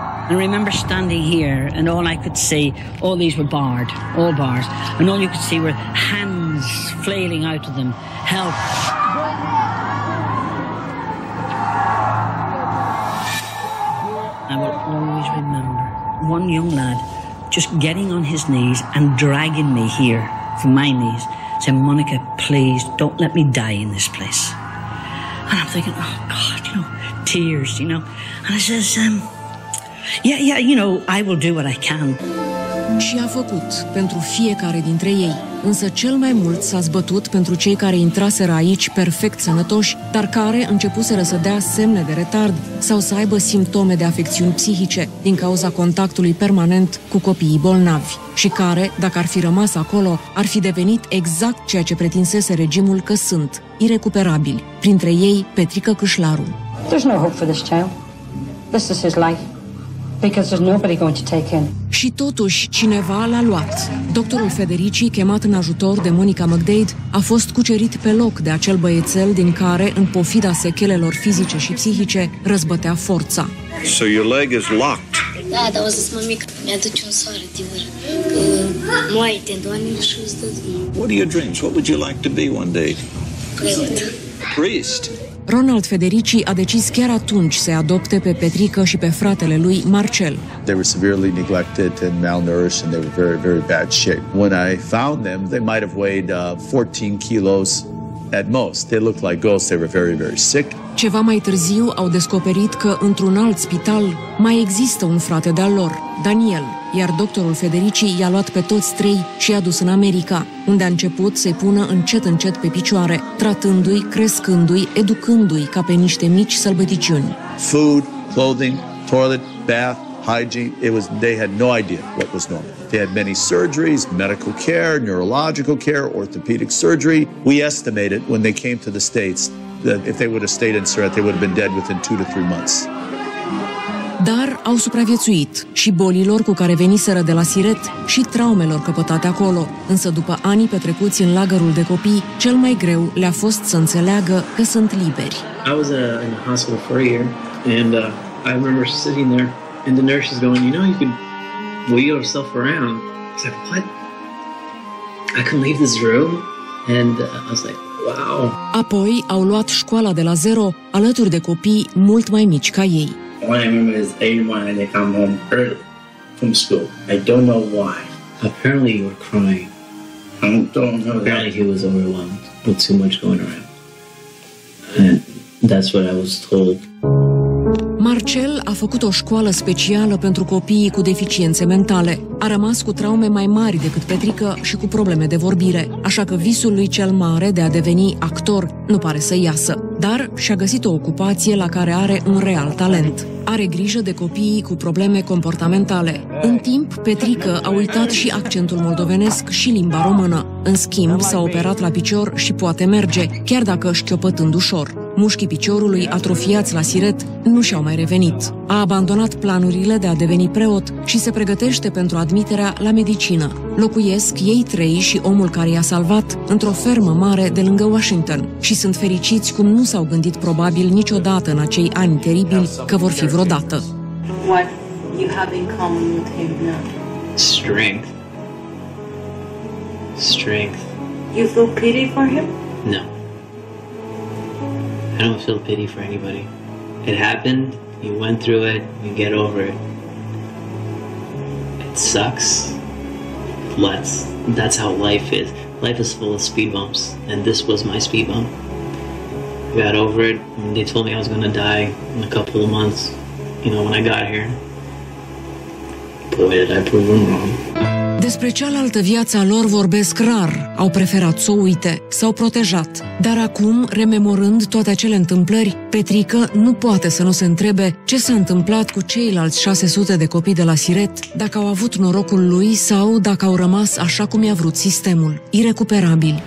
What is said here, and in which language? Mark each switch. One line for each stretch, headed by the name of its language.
English: I remember standing here and all I could see, all these were barred, all bars, and all you could see were hands flailing out of them. Help! I will always remember one young lad just getting on his knees and dragging me here from my knees, saying, Monica, please don't let me die in this place. And I'm thinking, oh God, you know, tears, you know. And I says, I will do what I can.
Romanian: Și a făcut pentru fiecare dintre ei. Însă cel mai mult s-a zbătut pentru cei care intraseră aici perfect sănătoși, dar care începuseră să dea semne de retard sau să aibă simptome de afecțiuni psihice din cauza contactului permanent cu copiii bolnavi și care, dacă ar fi rămas acolo, ar fi devenit exact ceea ce pretinsese regimul că sunt, irecuperabili. Printre ei, Petrică Cășlaru.
English: There's no hope for this child. This is his life. Because there's nobody going to take him.
Romanian: Și totuși, cineva l-a luat. Doctorul Federici, chemat în ajutor de Monica McDade, a fost cucerit pe loc de acel băiețel din care, în pofida sechelelor fizice și psihice, răzbătea forța.
English: So your leg is locked.
Romanian: Da, dar o zis, mămică, mi-a dus un soare, tine.
English: What are your dreams? What would you like to be one day? Priest. Priest?
Romanian: Ronald Federici a decis chiar atunci să-i adopte pe Petrică și pe fratele lui Marcel.
English: They were severely neglected and malnourished and they were very, very bad shape. When I found them, they might have weighed 14 kilos at most. They looked like ghosts. They were very, very sick.
Romanian: Ceva mai târziu au descoperit că într-un alt spital mai există un frate de-al lor, Daniel, iar doctorul Federici i-a luat pe toți trei și i-a dus în America, unde a început să-i pună încet, încet pe picioare, tratându-i, crescându-i, educându-i ca pe niște mici sălbăticiuni.
English: Food, clothing, toilet, bath, hygiene, it was, they had no idea what was normal. They had many surgeries, medical care, neurological care, orthopedic surgery. We estimated when they came to the States that if they would have stayed in Surat, they would have been dead within 2 to 3 months.
Romanian: Dar au supraviețuit și bolilor cu care veniseră de la Siret și traumelor căpătate acolo. Însă după anii petrecuți în lagărul de copii, cel mai greu le-a fost să înțeleagă că sunt liberi.
English: I was in the hospital for a year and I remember sitting there and the nurse is going, you know, you can wheel yourself around. I said, what? I can leave this room? And I was like, wow.
Romanian: Apoi au luat școala de la zero alături de copii mult mai mici ca ei.
English: All I remember is they wanted to come home early from school. I don't know why. Apparently you were crying. I don't know. Apparently that. He was overwhelmed with too much going around. And that's what I was told.
Romanian: Marcel a făcut o școală specială pentru copiii cu deficiențe mentale. A rămas cu traume mai mari decât Petrică și cu probleme de vorbire, așa că visul lui cel mare de a deveni actor nu pare să iasă. Dar și-a găsit o ocupație la care are un real talent. Are grijă de copiii cu probleme comportamentale. În timp, Petrică a uitat și accentul moldovenesc și limba română. În schimb, s-a operat la picior și poate merge, chiar dacă șchiopătând ușor. Mușchii piciorului, atrofiați la siret, nu și-au mai revenit. A abandonat planurile de a deveni preot și se pregătește pentru admiterea la medicină. Locuiesc ei trei și omul care i-a salvat într-o fermă mare de lângă Washington și sunt fericiți cum nu s-au gândit probabil niciodată în acei ani teribili că vor fi vreodată.
English: What you have in common with him now? Strength. Strength. You feel pity for him? No. I don't feel pity for anybody. It happened, you went through it, you get over it. It sucks. That's how life is. Life is full of speed bumps, and this was my speed bump. I got over it when they told me I was gonna die in a couple of months, you know, when I got here. Boy, did I prove them wrong.
Romanian: Despre cealaltă viață a lor vorbesc rar, au preferat să o uite, s-au protejat. Dar acum, rememorând toate acele întâmplări, Petrică nu poate să nu se întrebe ce s-a întâmplat cu ceilalți 600 de copii de la Siret, dacă au avut norocul lui sau dacă au rămas așa cum i-a vrut sistemul, irecuperabil.